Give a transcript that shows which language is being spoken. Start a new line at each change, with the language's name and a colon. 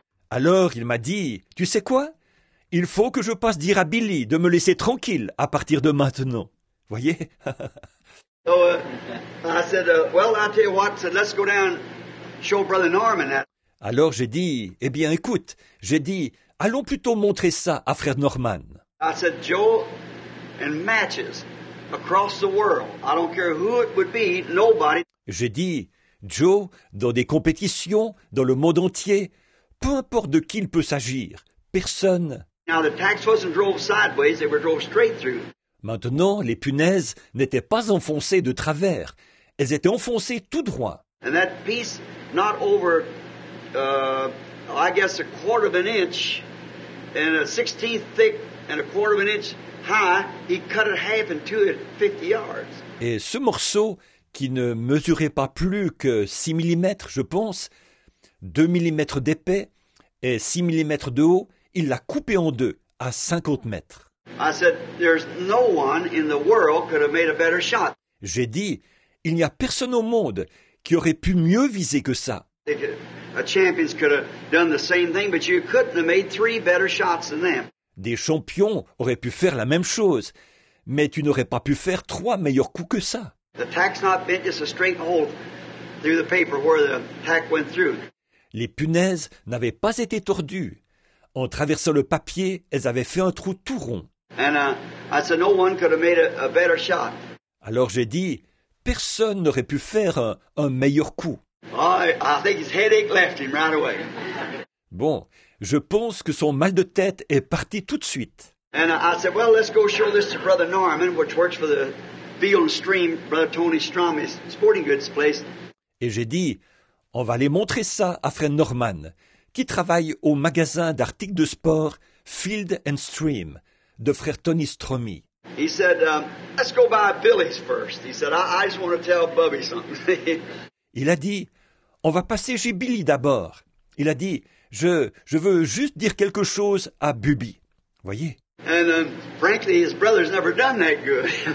French: Alors il m'a dit, tu sais quoi, il faut que je passe dire à Billy de me laisser tranquille à partir de maintenant. Voyez.
English: So I said, well, I'll tell you what, so let's go down, show Brother Norman that.
French: Alors j'ai dit, eh bien écoute, j'ai dit, allons plutôt montrer ça à Frère Norman.
English: I said, Joe, and matches across the world, I don't care who it would be, nobody.
French: J'ai dit, Joe, dans des compétitions, dans le monde entier, peu importe de qui il peut s'agir, personne.
English: Now the tax wasn't drove sideways, they were drove straight through.
French: Maintenant, les punaises n'étaient pas enfoncées de travers. Elles étaient enfoncées tout droit.
English: And that piece, not over, I guess, 1/4 inch, and 1/16 thick, and 1/4 inch high, he cut it half in two at 50 yards.
French: Et ce morceau, qui ne mesurait pas plus que 6 mm, je pense, 2 mm d'épais et 6 mm de haut, il l'a coupé en deux à 50 mètres.
English: I said, there's no one in the world could have made a better shot.
French: J'ai dit, il n'y a personne au monde qui aurait pu mieux viser que ça.
English: A champion could have done the same thing, but you couldn't have made three better shots than them.
French: Des champions auraient pu faire la même chose, mais tu n'aurais pas pu faire trois meilleurs coups que ça.
English: The tack's not bent, just a straight hole through the paper where the tack went through.
French: Les punaises n'avaient pas été tordues. En traversant le papier, elles avaient fait un trou tout rond.
English: And, I said, no one could have made a better shot.
French: Alors j'ai dit, personne n'aurait pu faire un meilleur coup.
English: I think his headache left him right away.
French: Bon, je pense que son mal de tête est parti tout de suite.
English: And I said, well, let's go show this to Brother Norman, which works for the Beale and Stream, Brother Tony Stromy's sporting goods place.
French: Et j'ai dit, on va aller montrer ça à Frère Norman, qui travaille au magasin d'articles de sport Field and Stream de frère Tony Stromy.
English: He said, let's go by Billy's first. He said, I just want to tell Bubby something.
French: Il a dit, on va passer chez Billy d'abord. Il a dit, je veux juste dire quelque chose à Bubby. Voyez.
English: And frankly, his brother's never done that good.